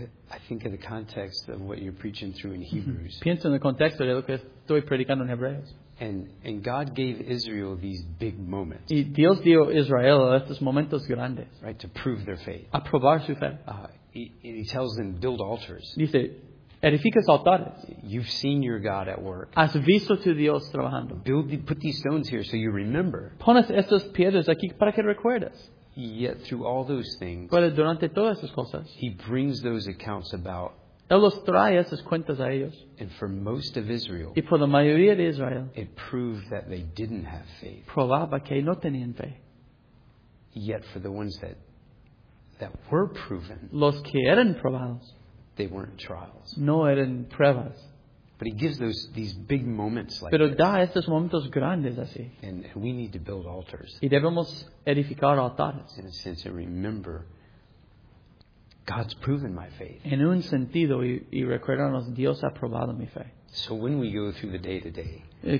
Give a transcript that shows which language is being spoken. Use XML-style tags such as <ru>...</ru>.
<en>I think in the context of what you're preaching through in Hebrews.</en> <es>Pienso en el contexto de lo que estoy predicando en Hebreos.</es> <en>And God gave Israel these big moments.</en> <es>Y Dios dio a Israel estos momentos grandes.</es> <en>Right, to prove their faith.</en> <es>A probar su fe.</es> <en>He tells them, build altars.</en> <es>Dice, edificas altares.</es> <en>You've seen your God at work.</en> <es>Has visto tu Dios trabajando.</es> <en>Put these stones here so you remember.</en> <es>Pones estas piedras aquí para que recuerdes.</es> <en>Yet through all those things,</en> <es>pero durante todas esas cosas,</es> <en>he brings those accounts about.</en> <es>Él los trae esas cuentas a ellos.</es> <en>And for most of Israel,</en> <es>y por la mayoría de Israel,</es> <en>it proved that they didn't have faith.</en> <es>Probaba que no tenían fe.</es> <en>Yet for the ones that were proven,</en> <es>los que eran probados,</es> <en>they weren't trials.</en> <es>No eran pruebas.</es> <en>But he gives these big moments like</en> <es>that. Pero da estos momentos grandes así.</es> <en>And we need to build altars.</en> <es>Y debemos edificar altares.</es> <en>In a sense, and remember, God's proven my faith.</en> <es>En un sentido, y recordarnos, Dios ha probado mi fe.</es> <en>So when we go through the day to day,</en>